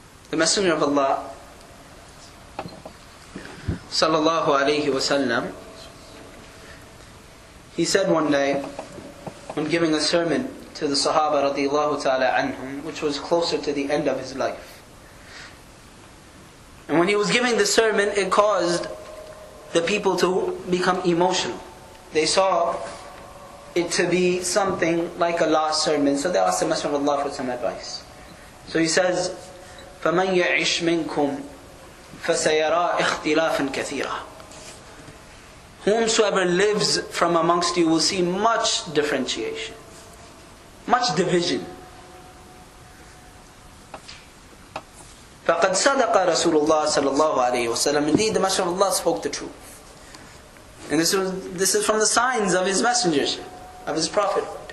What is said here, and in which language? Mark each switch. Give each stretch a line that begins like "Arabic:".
English: The Messenger of Allah sallallahu alayhi wa sallam, he said one day when giving a sermon to the Sahaba radiallahu ta'ala anhum, which was closer to the end of his life, and when he was giving the sermon, it caused the people to become emotional. They saw it to be something like a last sermon, so they asked the Messenger of Allah for some advice. So he says,
Arabic: فَمَنْ يَعِشْ مِنْكُمْ فَسَيَرَىٰ إِخْتِلَافًا كَثِيرًا.
English: Whomsoever lives from amongst you will see much differentiation, much division.
Arabic: فَقَدْ صَدَقَ رَسُولُ اللَّهِ صَلَى اللَّهُ عَلَيْهِ وَسَلَمْ.
English: Indeed, the Messenger of Allah spoke the truth. And this is from the signs of his messengership, of his prophet.